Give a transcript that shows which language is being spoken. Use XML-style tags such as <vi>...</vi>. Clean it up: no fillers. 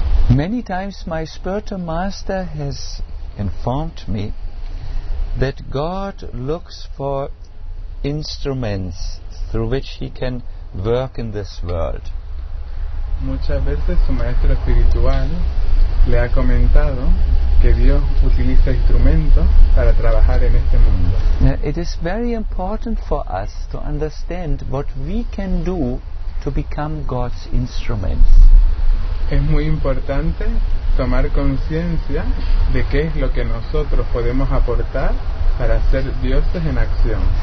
<en>Many times my spiritual master has informed me that God looks for instruments through which he can work in this world.</en> <es>Muchas veces su maestro espiritual le ha comentado que Dios utiliza instrumentos para trabajar en este mundo.</es> <en>Now, it is very important for us to understand what we can do to become God's instruments.</en> <es>Es muy importante tomar conciencia de qué es lo que nosotros podemos aportar para ser dioses en acción.</es>